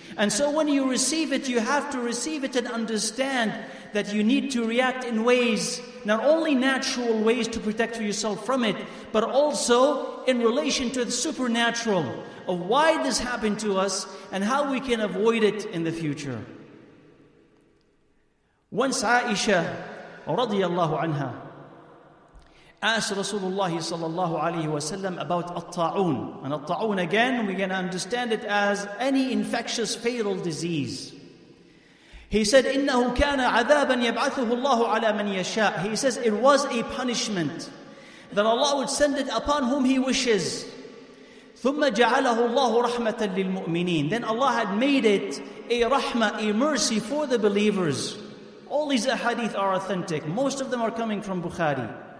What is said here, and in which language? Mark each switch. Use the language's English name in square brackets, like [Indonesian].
[English] And so when you receive it, you have to receive it and understand that you need to react in ways, not only natural ways to protect yourself from it, but also in relation to the supernatural of why this happened to us and how we can avoid it in the future. Once Aisha radiallahu anha asked Rasulullah sallallahu alayhi wa sallam about al-ta'un. And al-ta'un again, we can understand it as any infectious fatal disease. He said, [Arabic] إِنَّهُ كَانَ عَذَابًا يَبْعَثُهُ اللَّهُ عَلَى مَنْ يَشَاءُ. [English] He says, it was a punishment that Allah would send it upon whom He wishes. [Arabic] ثُمَّ جَعَلَهُ اللَّهُ رَحْمَةً لِلْمُؤْمِنِينَ. [English] Then Allah had made it a rahmah, a mercy for the believers. All these ahadith are authentic. Most of them are coming from Bukhari.